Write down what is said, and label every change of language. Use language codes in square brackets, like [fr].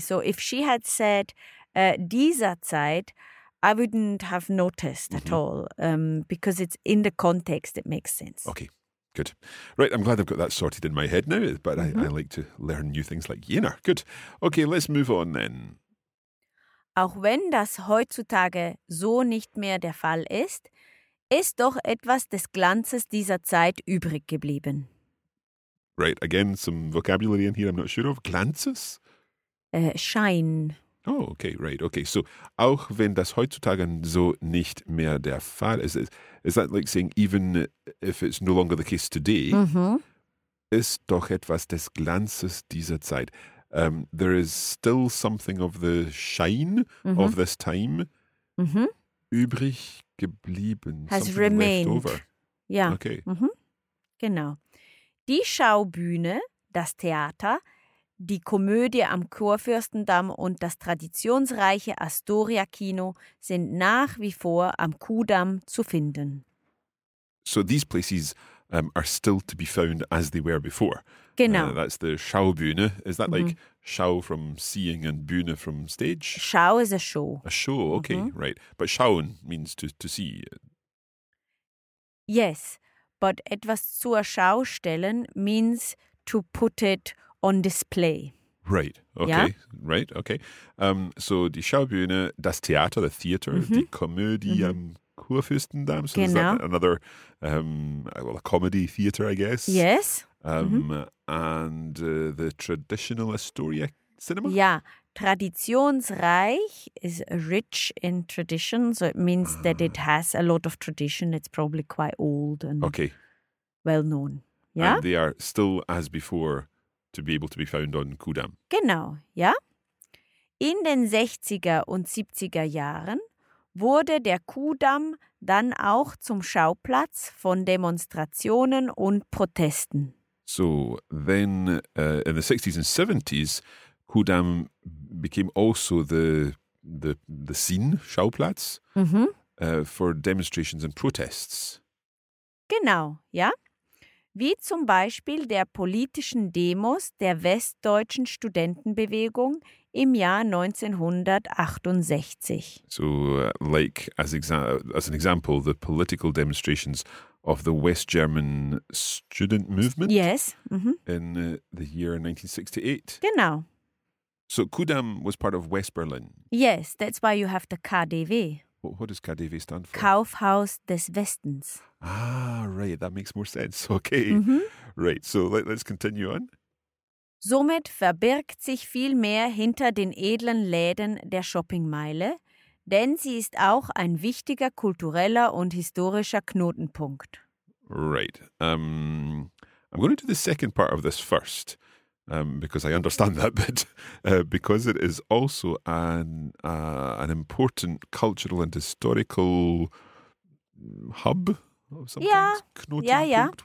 [en] So if she had said [de] dieser Zeit, [en] I wouldn't have noticed mm-hmm. at all. Because it's in the context, it makes sense. Okay, good. Right, I'm glad I've got that sorted in my head now. But mm-hmm. I like to learn new things like jener. Good. Okay, let's move on then. [de] Auch wenn das heutzutage so nicht mehr der Fall ist, ist doch etwas des Glanzes dieser Zeit übrig geblieben. [en] Right, again, some vocabulary in here I'm not sure of. Glanzes? [de] Schein. [en] Oh, okay, right, okay. [de] So, auch wenn das heutzutage so nicht mehr der Fall ist, [en] is that like saying, even if it's no longer the case today, [de] ist doch etwas des Glanzes dieser Zeit. [en] There is still something of the shine of this time [de] übrig geblieben. [en] Has remained. Left over. Ja. Okay. [de] Genau. Die Schaubühne, das Theater, die Komödie am Kurfürstendamm und das traditionsreiche Astoria-Kino sind nach wie vor am Kuhdamm zu finden. [en] So these places are still to be found as they were before. [de] Genau. [en] That's the Schaubühne. Is that like Schau from seeing and Bühne from stage? Schau is a show. A show, okay, right. But schauen means to see. Yes, but [de] etwas zur Schau stellen [en] means to put it on display. Right, okay, yeah? Right, okay. [de] So die Schaubühne, das Theater, [en] the theater, [de] die Komödie Kurfürstendamm, so genau. [en] Is that another, a comedy theater, I guess? Yes. And the traditional Astoria cinema? Yeah, traditionsreich is rich in tradition, so it means that it has a lot of tradition. It's probably quite old and well known. Yeah? And they are still as before to be able to be found on Kudamm. [de] Genau, ja. In den 60er und 70er Jahren wurde der Kudamm dann auch zum Schauplatz von Demonstrationen und Protesten. [en] So, then in the 60s and 70s, Kudamm became also the scene, Schauplatz, for demonstrations and protests. [de] Genau, ja. Wie zum Beispiel der politischen Demos der Westdeutschen Studentenbewegung im Jahr 1968. [en] So, like as an example, the political demonstrations of the West German student movement? Yes. In the year 1968? [de] Genau. [en] So Kudamm was part of West Berlin? Yes, that's why you have the KDW. What does KDW stand for? [de] Kaufhaus des Westens. [en] Ah, right, that makes more sense. Okay, right, so let's continue on. [de] Somit verbirgt sich viel mehr hinter den edlen Läden der Shoppingmeile, denn sie ist auch ein wichtiger kultureller und historischer Knotenpunkt. [en] Right. I'm going to do the second part of this first, because I understand that bit, because it is also an important cultural and historical hub of some kind. [de] Knotenpunkt.